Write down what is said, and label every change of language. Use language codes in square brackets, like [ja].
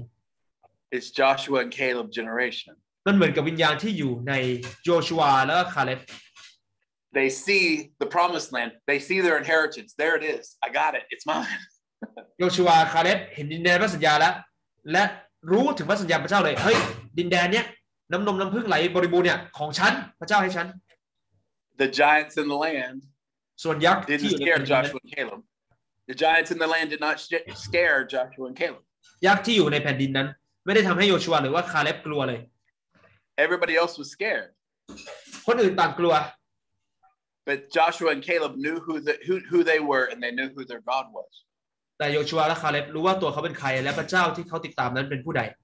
[en] It's Joshua and Caleb generation. [th] มันเหมือนกับวิญญาณที่อยู่ในโยชัวและคาเลบ [en] They see the promised land. They see their inheritance. There it is. I got it. It's mine. [th] โยชัวคาเลบเห็นดินแดนพระสัญญาแล้วและรู้ถึงพระสัญญาพระเจ้าเลยเฮ้ยดินแดนเนี้ยน้ำนมน้ำพึ่งไหลบริบูรณ์เนี่ยของฉันพระเจ้าให้ฉัน [en] The giants in the land [th] ส่วนยักษ์ [en] ที่ didn't scare Joshua and Caleb The giants in the land did not scare Joshua and Caleb [th] ยักษ์ที่อยู่ในแผ่นดินนั้นไม่ได้ทำให้โยชัวหรือว่าคาเลบกลัวเลย [en] Everybody else was scared [th] คนอื่นต่างกลัว [en] But Joshua and Caleb knew who they were and they knew who their God was [th] แต่โยชัวและคาเลบรู้ว่าตัวเขาเป็นใครและพระเจ้าที่เขาติดตามนั้นเป็นผู้ใด